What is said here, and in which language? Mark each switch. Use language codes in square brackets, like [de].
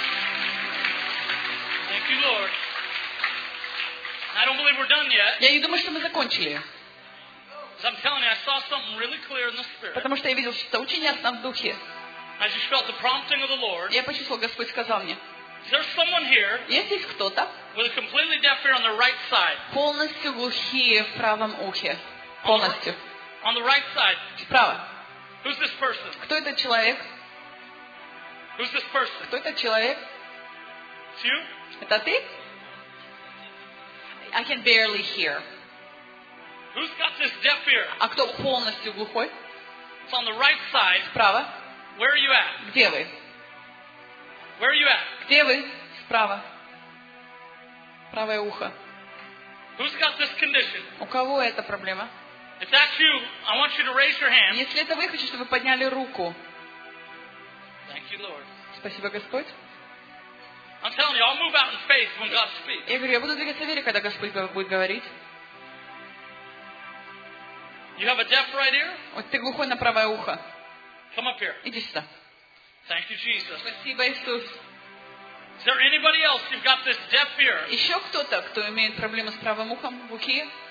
[en] Thank you, Lord. I don't believe we're done yet. [ru] Я не думаю, что мы закончили. [en] Because I'm telling you, I saw something really clear in the Spirit. [ru] Потому что я видел что-то очень ясно в духе. [en] I just felt the prompting of the Lord. [ru] Я почувствовал, Господь сказал мне. [en] Is there someone here? [ru] Есть здесь кто-то? [en] With a completely deaf ear on the right side. [ru] Полностью глухие в правом ухе. Полностью. [en] On the right side. [ru] Справа. [en] Who's this person? [ru] Кто этот человек? [en] Who's this person? [ru] Кто этот человек? [en] It's you? [ru] Это ты? [en] I can barely hear. Who's got this deaf ear? [ru] А кто полностью глухой? [en] It's on the right side. [ru] Справа. [en] Where are you at? [ru] Где вы? [en] Where are you at? [ru] Где вы? Справа. Правое ухо. [en] Who's got this condition? [ru] У кого эта проблема? [en] If that's you, I want you to raise your hand. [ru] Если это вы, хочу, чтобы вы подняли руку. [en] Thank you, Lord. [ru] Спасибо, Господь. [en] I'm telling you, I'll move out in faith when God speaks. [ru] Я говорю, я буду двигаться в вере, когда Господь будет говорить. [en] You have a deaf right ear? [ru] Вот ты глухой на правое ухо. [en] Come up here. [ru] Иди сюда. [en] Thank you, Jesus. [ru] Спасибо, Иисус. [en] Is there anybody else? You've got this deaf ear. [ru] Еще кто-то, кто имеет проблемы с правым ухом в ухе?